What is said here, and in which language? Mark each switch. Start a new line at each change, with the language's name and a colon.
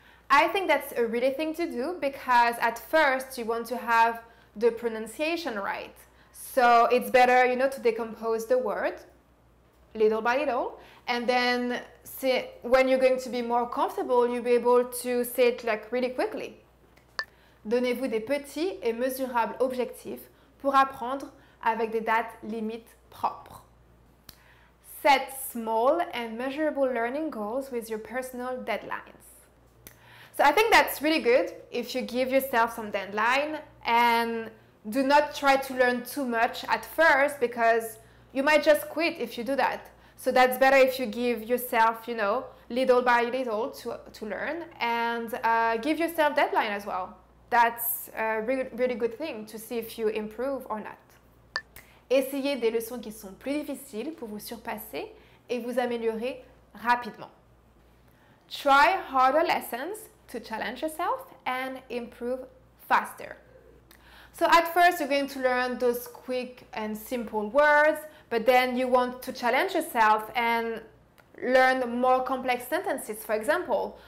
English: I think that's a really thing to do because at first you want to have the pronunciation right. So it's better, you know, to decompose the word little by little. And then say, when you're going to be more comfortable, you'll be able to say it like really quickly.
French: Donnez-vous des petits et mesurables objectifs pour apprendre avec des dates limites propres.
English: Set small and measurable learning goals with your personal deadlines. So I think that's really good if you give yourself some deadline and do not try to learn too much at first because you might just quit if you do that. So that's better if you give yourself, you know, little by little to learn and give yourself deadline as well. That's a really good thing to see if you improve or not.
French: Essayez des leçons qui sont plus difficiles pour vous surpasser et vous améliorer rapidement.
English: Try harder lessons to challenge yourself and improve faster. So at first you're going to learn those quick and simple words, but then you want to challenge yourself and learn more complex sentences, for example.